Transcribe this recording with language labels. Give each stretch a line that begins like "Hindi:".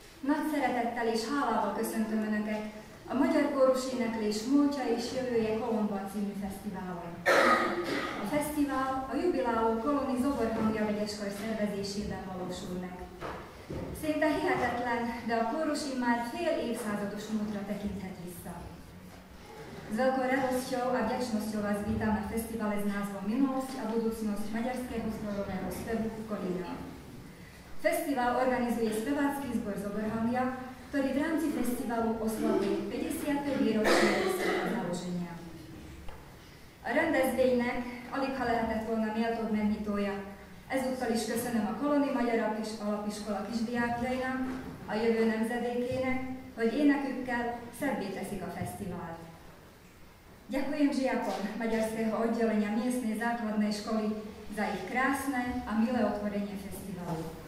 Hungarian: Nagy szeretettel és hálával köszöntöm Önöket a Magyar Kórus Éneklés Múltja és Jövője Kolomban című fesztiválon. A fesztivál a jubiláló Koloni Zobornangja vegyeskor szervezésében valósul meg. Szinte hihetetlen, de a kórus immár fél évszázados múltra tekinthet vissza.
Slovak: Z veľkou radosťou a vďačnosťou vás vítam na festivale s názvom Minulosť a budúcnosť maďarského zborového spevu Kolina. Festival organizuje spevácky zbor Zobrhangja, ktorý v rámci festivalu oslaví 50. výročie svojho založenia.
Hungarian: A rendezvénynek alig ha lehetett volna méltóbb megnyitója. Ezúttal is köszönöm a Koloni Magyar Alapiskola kisdiákjainak, a jövő nemzedékének, hogy énekükkel szebbé teszik a fesztivált.
Slovak: Ďakujem žiakom Maďarského oddelenia miestnej základnej školy za ich krásne a milé otvorenie festivalu.